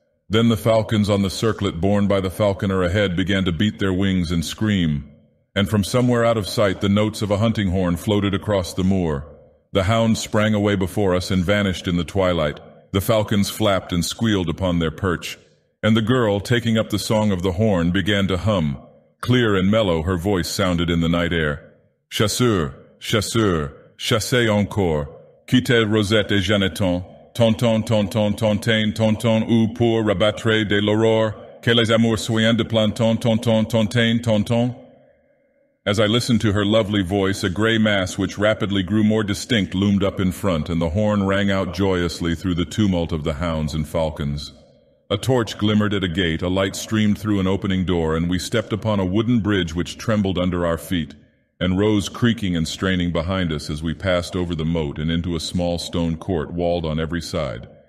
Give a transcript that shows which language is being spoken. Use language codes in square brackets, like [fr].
[en] Then the falcons on the circlet borne by the falconer ahead began to beat their wings and scream, and from somewhere out of sight the notes of a hunting horn floated across the moor. The hound sprang away before us and vanished in the twilight. The falcons flapped and squealed upon their perch, and the girl, taking up the song of the horn, began to hum. Clear and mellow her voice sounded in the night air. [fr] Chasseur, chasseur, chassez encore, quittez Rosette et Jeanneton, tonton, tonton, tontaine, tonton, ou pour rabattre de l'aurore, que les amours soient de planton, tonton, tontaine, tonton. [en] As I listened to her lovely voice, a gray mass which rapidly grew more distinct loomed up in front, and the horn rang out joyously through the tumult of the hounds and falcons. A torch glimmered at a gate, a light streamed through an opening door, and we stepped upon a wooden bridge which trembled under our feet, and rose creaking and straining behind us as we passed over the moat and into a small stone court walled on every side.